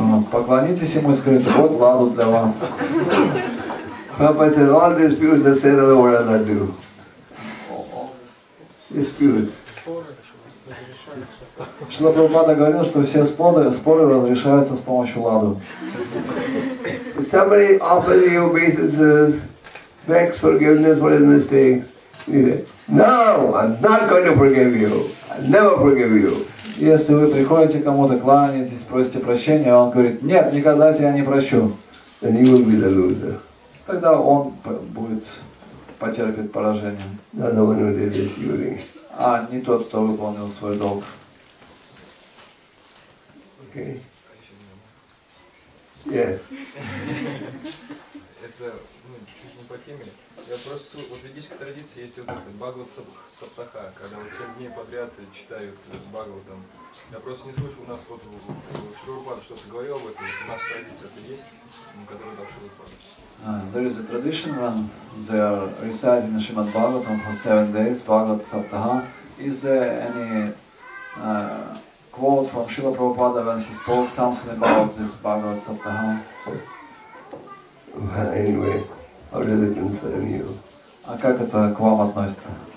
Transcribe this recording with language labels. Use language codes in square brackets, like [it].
[ru] Поклонитесь ему и скажите, вот ладу для вас. [en] Papa said, all disputes are settled over a ladu. Disputes. [ru] Шрила Прабхупада говорил, что все споры разрешаются с помощью ладу. [en] Somebody offers you obeisances, begs forgiveness for his mistake. He said, no, I'm not going to forgive you. I'll never forgive you. [ru] Если вы приходите кому-то, кланяетесь, просите прощения, он говорит, нет, никогда тебя не прощу. [en] Then you will be the loser. [ru] Тогда он будет потерпеть поражение. [en] Not the one who did it, you think. [ru] А не тот, кто выполнил свой долг. [en] Okay. Yeah. [ru] Это чуть не по теме. Я просто в ведической традиции есть вот этот Бхагават Саптаха, когда вот 7 дней подряд читают Бхагаватам. Я просто не слышу, у нас вот Шрурупад что-то говорил об этом. У нас традиция это есть, которая дальше выпадает. [en] There is a tradition when they are reciting Shrimad Bhagavatam for 7 days, Bhagavat Saptaha. Is there any quote from Srila Prabhupada when he spoke something about this Bhagavat Saptaha? Well, anyway, how does it concern you? [ru] А как это к вам относится?